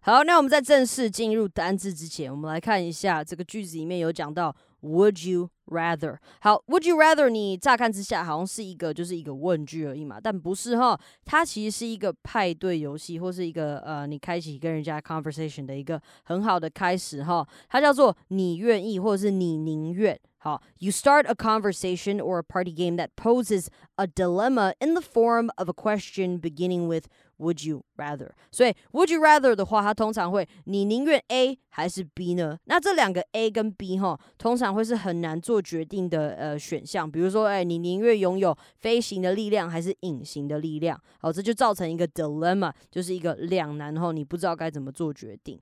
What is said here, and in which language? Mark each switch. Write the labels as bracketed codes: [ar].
[zh] 好，那我们在正式进入单字之前，我们来看一下这个句子里面有讲到 Would you rather。好， Would you rather 你乍看之下好像是一个就是一个问句而已嘛，但不是哈，它其实是一个派对游戏，或是一个你开启跟人家 conversation 的一个很好的开始哈。它叫做你愿意或是你宁愿。 [en] 好， You start a conversation or a party game that poses a dilemma in the form of a question beginning withWould you rather? [zh] 所以 Would you rather 的话，它通常会你宁愿 A 还是 B 呢？那这两个 A 跟 B 哈，通常会是很难做决定的选项。比如说，你宁愿拥有飞行的力量还是隐形的力量？好，这就造成一个 dilemma， 就是一个两难哈，你不知道该怎么做决定。